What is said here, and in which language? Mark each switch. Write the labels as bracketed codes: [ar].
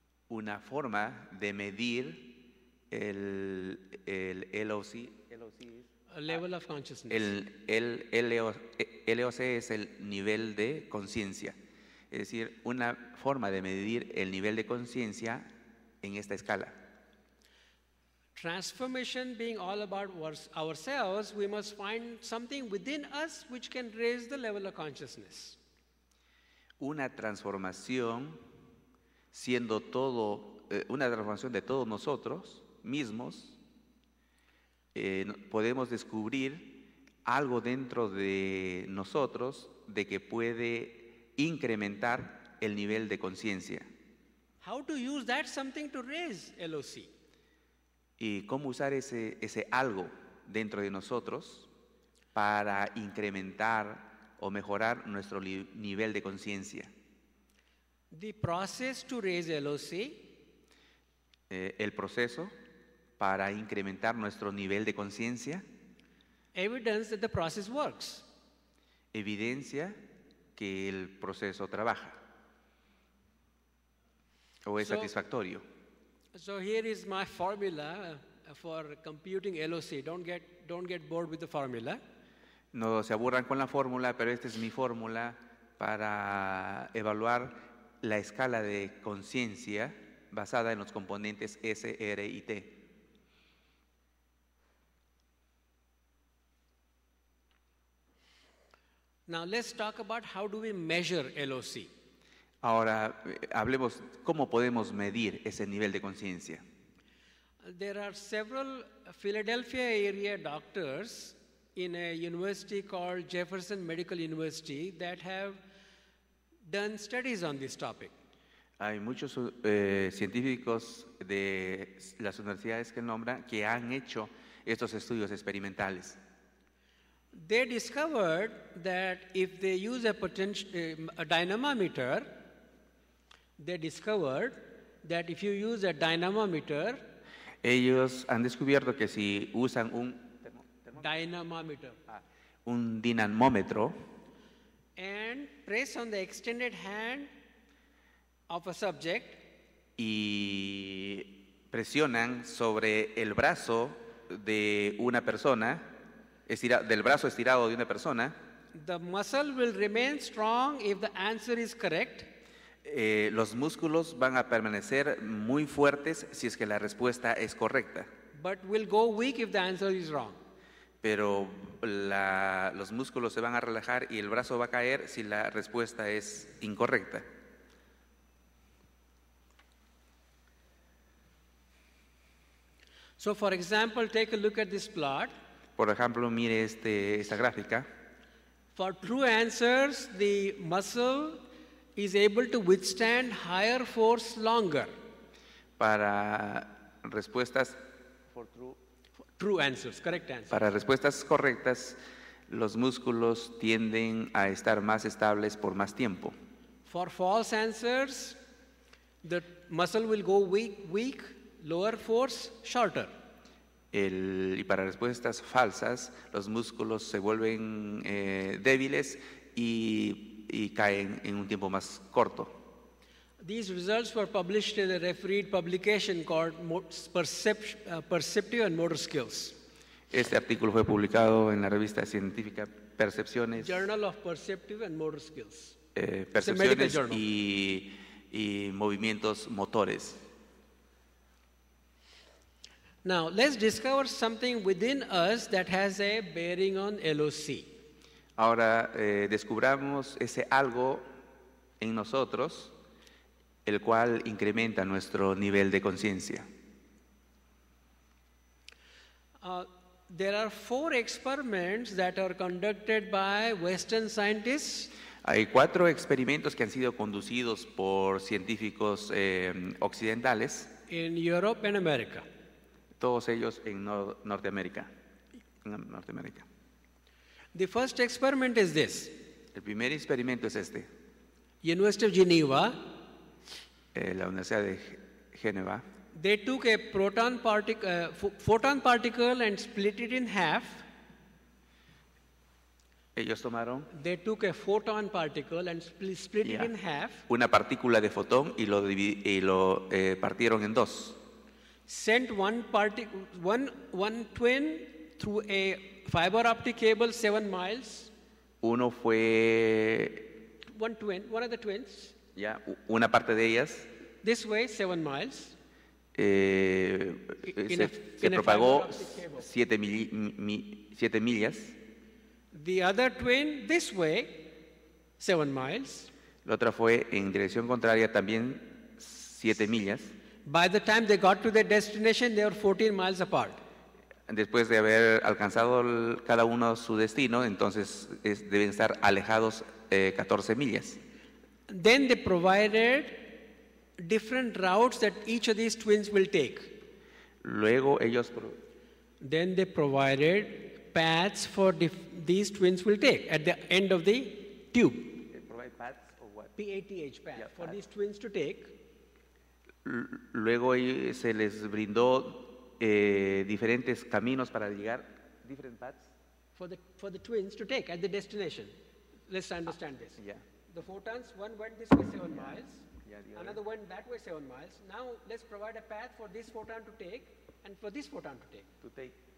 [es] Una forma de medir el LOC. [en] A level of consciousness. [es] LOC es el nivel de conciencia. Es decir, una forma de medir el nivel de conciencia en esta escala. [en] Transformation being all about ourselves, we must find something within us which can raise the level of consciousness. [es] Una transformación siendo todo, una transformación de todos nosotros mismos, podemos descubrir algo dentro de nosotros de que puede incrementar el nivel de conciencia. [en] How to use that something to raise LOC? [es] ¿Y cómo usar ese algo dentro de nosotros para incrementar o mejorar nuestro nivel de conciencia? [en] The process to raise LOC. [es] El proceso para incrementar nuestro nivel de conciencia. [en] Evidence that the process works. [es] Evidencia que el proceso trabaja. O es satisfactorio. [en] So here is my formula for computing LOC. Don't get bored with the formula. [es] No se aburran con la fórmula, pero esta es mi fórmula para evaluar la escala de conciencia basada en los componentes S, R y T. [en] Now let's talk about how do we measure LOC. [es] Ahora hablemos cómo podemos medir ese nivel de conciencia. [en] There are several Philadelphia area doctors in a university called Jefferson Medical University that have done studies on this topic. [es] Hay muchos científicos de las universidades que nombra que han hecho estos estudios experimentales. [en] They discovered that if they use a dynamometer, they discovered that if you use a dynamometer, [es] ellos han descubierto que si usan un [en] dynamometer, [es] un dinamómetro, [en] and press on the extended hand of a subject, [es] y presionan sobre el brazo de una persona, del brazo estirado de una persona, [en] the muscle will remain strong if the answer is correct. [es] Los músculos van a permanecer muy fuertes si es que la respuesta es correcta. [en] But will go weak if the answer is wrong. [es] Pero los músculos se van a relajar y el brazo va a caer si la respuesta es incorrecta. [en] So for example, take a look at this plot. [es] Por ejemplo, mire esta gráfica. [en] For true answers, the muscle is able to withstand higher force longer. [es] Para respuestas [en] for true answers, correct answers. [es] Para respuestas correctas, los músculos tienden a estar más estables por más tiempo. [en] For false answers, the muscle will go weak, lower force, shorter. [es] Y para respuestas falsas, los músculos se vuelven débiles y caen en un tiempo más corto. [en] These results were published in a refereed publication called Perceptive and Motor Skills. [es] Este artículo fue publicado en la revista científica Percepciones. [en] Journal of Perceptive and Motor Skills. [es] Percepciones y movimientos motores. [en] Now, let's discover something within us that has a bearing on LOC. [es] Ahora descubramos ese algo en nosotros, el cual incrementa nuestro nivel de conciencia. [en] There are four experiments that are conducted by Western scientists. [es] Hay cuatro experimentos que han sido conducidos por científicos occidentales. [en] In Europe and America. [es] Todos ellos en Norteamérica. En Norteamérica. [en] The first experiment is this. [es] El primer experimento es este. [en] University of Geneva. [es] La Universidad de Ginebra. [en] They took a proton photon particle and split it in half. [es] Ellos tomaron. [en] They took a photon particle and split it in half. [es] Una partícula de fotón y lo partieron en dos. [en] Sent one twin through a fiber optic cable 7 miles. [es] Uno fue. [en] One twin, one of the twins. [es] Yeah, una parte de ellas. [en] This way, 7 miles. [es] Se propagó 7 millas. [en] The other twin this way, 7 miles. [es] La otra fue en dirección contraria también 7 millas. [en] By the time they got to their destination, they were 14 miles apart. [es] Después de haber alcanzado cada uno su destino, entonces deben estar alejados 14 millas. [en] Then they provided different routes that each of these twins will take. [es] Luego ellos. [en] Then they provided paths for these twins will take at the end of the tube. Provide paths or what? PATH path for paths. These twins to take. [es] Luego se les brindó diferentes caminos para llegar. [en] Different paths for the twins to take at the destination. Let's understand this. Yeah. The photons, one went this way 7 miles. Another went that way 7 miles. Now let's provide a path for this photon to take and for this photon to take.